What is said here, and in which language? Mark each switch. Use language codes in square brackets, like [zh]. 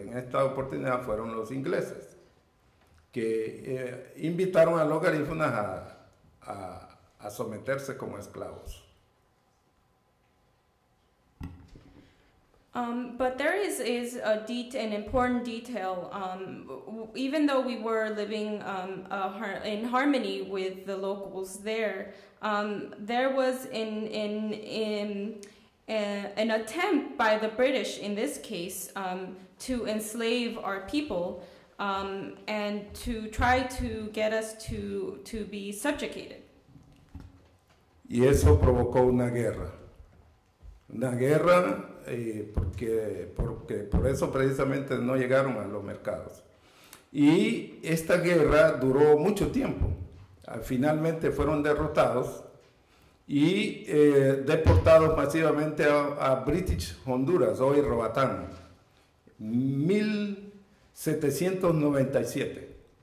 [es] En esta oportunidad fueron los ingleses que invitaron a los garífunas a someterse como esclavos. [en] But there is a an important detail. Even though we were living in harmony with the locals there, there was an attempt by the British, in this case, to enslave our people and to try to get us to be subjugated. [es] Y eso provocó una guerra. Una guerra porque por eso precisamente no llegaron a los mercados. Y esta guerra duró mucho tiempo. Finalmente fueron derrotados y deportados masivamente a British Honduras, hoy Roatán, 1797.